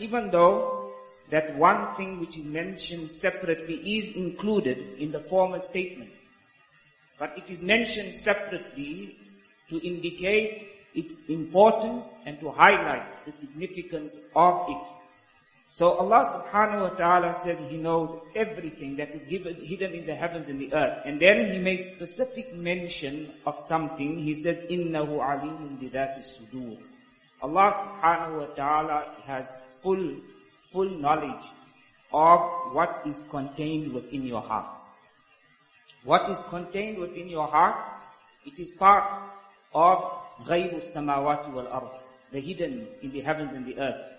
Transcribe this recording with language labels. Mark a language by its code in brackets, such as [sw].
[en] Even though that one thing which is mentioned separately is included in the former statement, but it is mentioned separately to indicate its importance and to highlight the significance of it. So Allah subhanahu wa ta'ala said He knows everything that is hidden in the heavens and the earth. And then He makes specific mention of something. He says, [ar] إِنَّهُ عَلِيمٌ بِذَاتِ الصُّدُورِ. [en] Allah subhanahu wa ta'ala has full knowledge of what is contained within your heart. What is contained within your heart, it is part of [ar] غَيْرُ السَّمَاوَاتِ وَالْأَرْضِ, [en] the hidden in the heavens and the earth.